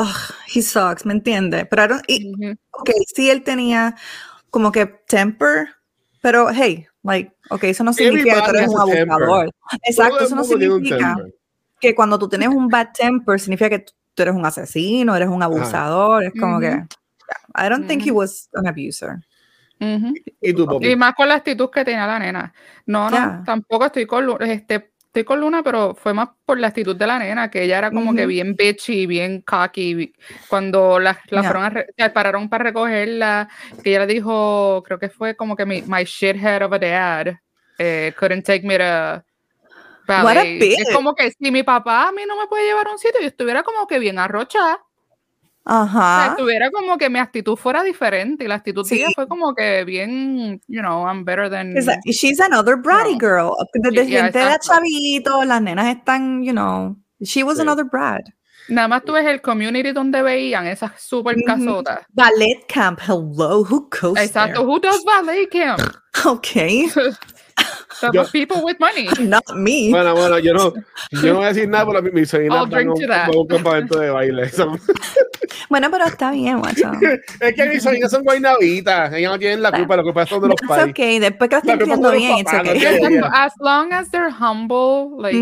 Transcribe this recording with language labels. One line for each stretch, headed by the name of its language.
English: Ugh, he sucks,
Spanish: ¿me entiendes? Pero okay, sí, él tenía como que temper, pero hey, like, okay, eso no significa que tú eres un abusador. Exacto, eso no significa... que cuando tú tienes un bad temper significa que tú eres un asesino, eres un abusador. Ajá. Es como que
English: I don't think he was an abuser.
Spanish: ¿Y tú, papi? Y más con la actitud que tenía la nena. No, tampoco estoy con Luna, pero fue más por la actitud de la nena, que ella era como que bien bitchy, bien cocky. Cuando pararon para recogerla, que ella le dijo, creo que fue como que
English: my shithead of a dad couldn't take me to...
Spanish: Es como que si mi papá a mí no me puede llevar a un sitio, yo estuviera como que bien arrochada. Ajá. O sea, estuviera como que mi actitud fuera diferente y la actitud de ella fue como que bien, you know,
English: I'm better than... She's another bratty girl.
Spanish: Desde gente de chavito, las nenas están,
English: you know, she was another brat.
Spanish: Nada más tú ves el community donde veían esas super casotas.
English: Ballet camp, hello, who goes there? Exacto, who does ballet camp? Okay. Yo, people with money. Not me.
Spanish: Bueno, yo no voy a decir nada, pero mi sobrina tengo un campamento de baile. Bueno, pero está bien, macho. Es que mis sobrinas son guaynavitas. Ellas no tienen la culpa son de los padres. Es okay, después que estén viendo bien, es okay.
English: As long as they're humble,